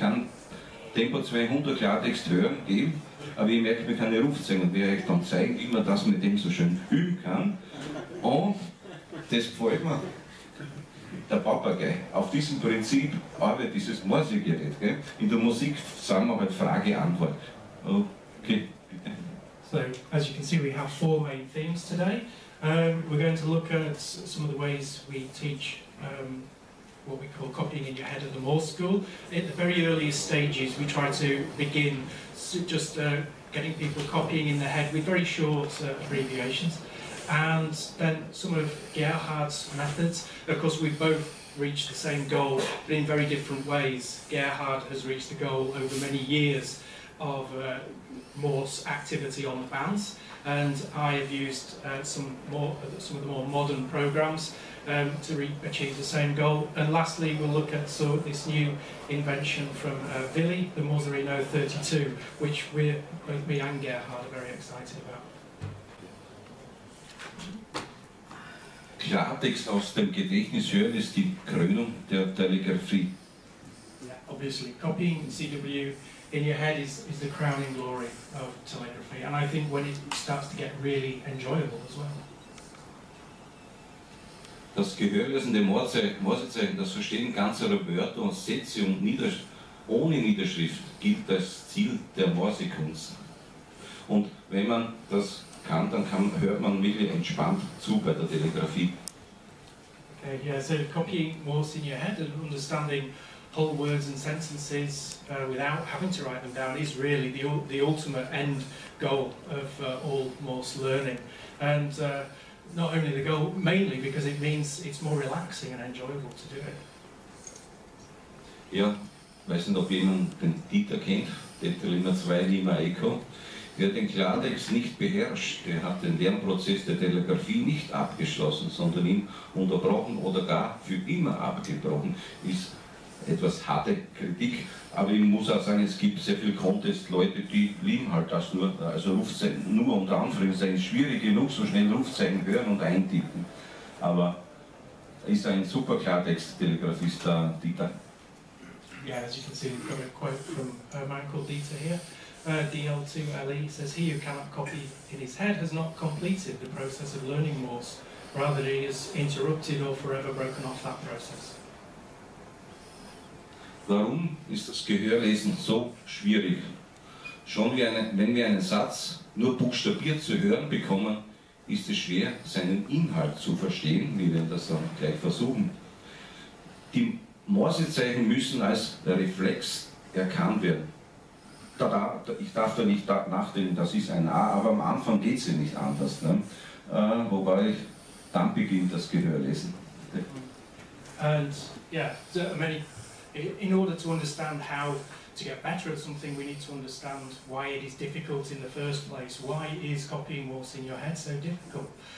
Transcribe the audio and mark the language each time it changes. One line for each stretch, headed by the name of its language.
German: Ich kann Tempo 200 Klartext hören, geben, aber ich merke mir keine Rufzeichen und werde euch dann zeigen, wie man das mit dem so schön üben kann. Und das gefällt mir, der Papagei. Auf diesem Prinzip arbeitet dieses Morsegerät. In der Musik sagen wir halt Frage-Antwort.
English: Okay. So, as you can see, we have four main themes today. We're going to look at some of the ways we teach what we call copying in your head at the Morse School. At the very earliest stages, we try to begin just getting people copying in their head with very short abbreviations. And then some of Gerhard's methods. Of course, we both reached the same goal, but in very different ways. Gerhard has reached the goal over many years of Morse activity on the bands. And I have used some of the more modern programs to achieve the same goal. And lastly, we'll look at this new invention from Willy, the Morserino 32, which both me and Gerhard are very excited about.
German: Klartext aus dem Gedächtnis hören ist die Krönung der Telegrafie.
English: Yeah, obviously, copying CW in your head is the crowning glory of telegraphy, and I think when it starts to get really enjoyable as well.
German: Das Gehörlesen der Morsezeichen, das Verstehen ganzer Wörter und Sätze und ohne Niederschrift gilt als Ziel der Morsekunst. Und wenn man das kann, dann hört man wirklich entspannt zu bei der Telegrafie.
English: Okay, yeah, so copying Morse in your head and understanding whole words and sentences without having to write them down is really the ultimate end goal of all Morse learning. And not only the goal, mainly because it means it's more relaxing and enjoyable to do it.
German: Ja, weiß nicht, ob jemand den Dieter kennt, Detlima 2, Lima Echo. Wer den Klartext nicht beherrscht, der hat den Lernprozess der Telegrafie nicht abgeschlossen, sondern ihn unterbrochen oder gar für immer abgebrochen. Ist etwas harte Kritik, aber ich muss auch sagen, es gibt sehr viele Contest-Leute, die lieben halt das nur, also Rufzeichen, nur unter Anführungszeichen, schwierig genug, so schnell Rufzeichen hören und eintippen. Aber ist ein super Klartext-Telegrafist, der Dieter.
English: Yeah, as you can see, we've got a quote from Michael Dieter here. DL2LE says, he who cannot copy in his head has not completed the process of learning Morse. Rather, he has interrupted or forever broken off that process.
German: Warum ist das Gehörlesen so schwierig? Schon wenn wir einen Satz nur buchstabiert zu hören bekommen, ist es schwer, seinen Inhalt zu verstehen. Wir werden das dann gleich versuchen. Die Morsezeichen müssen als Reflex erkannt werden. Ich darf da nicht nachdenken, das ist ein A, aber am Anfang geht es ja nicht anders. Ne? Wobei, dann beginnt das Gehörlesen.
English: And yeah, many, in order to understand how to get better at something, we need to understand why it is difficult in the first place. Why is copying what's in your head so difficult?